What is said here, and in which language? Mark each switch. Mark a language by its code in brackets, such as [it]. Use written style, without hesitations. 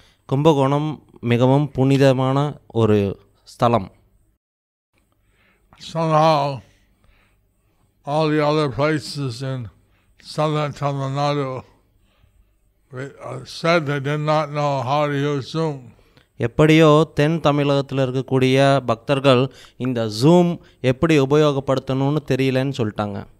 [ta] கும்பகோணம் மிகவும் புனிதமான ஒரு ஸ்தலம். [en] Somehow, all the other places in southern Tamil Nadu said they did not know how to use Zoom. [ta] எப்படியோ தென் தமிழகத்தில் இருக்கக்கூடிய பக்தர்கள் இந்த ஜூம் எப்படி உபயோகப்படுத்தணும்னு தெரியலன்னு சொல்லிட்டாங்க.